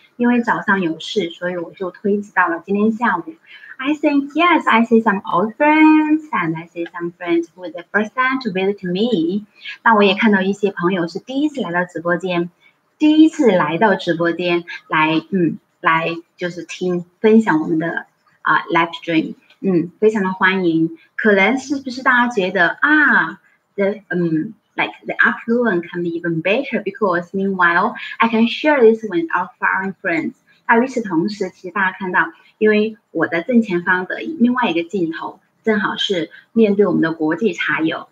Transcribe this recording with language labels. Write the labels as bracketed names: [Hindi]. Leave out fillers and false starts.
[Chinese] 因为早上有事，所以我就推迟到了今天下午。 [English] I think yes, I see some old friends and I see some friends who are the first time to visit me. [Chinese] 那我也看到一些朋友是第一次来到直播间，第一次来到直播间来，来就是听分享我们的live stream， 非常的欢迎。可能是不是大家觉得啊 [English] the afternoon can be even better because meanwhile I can share this with our foreign friends. [Chinese] 那与此同时，其实大家看到，因为我的正前方的另外一个镜头正好是面对我们的国际茶友。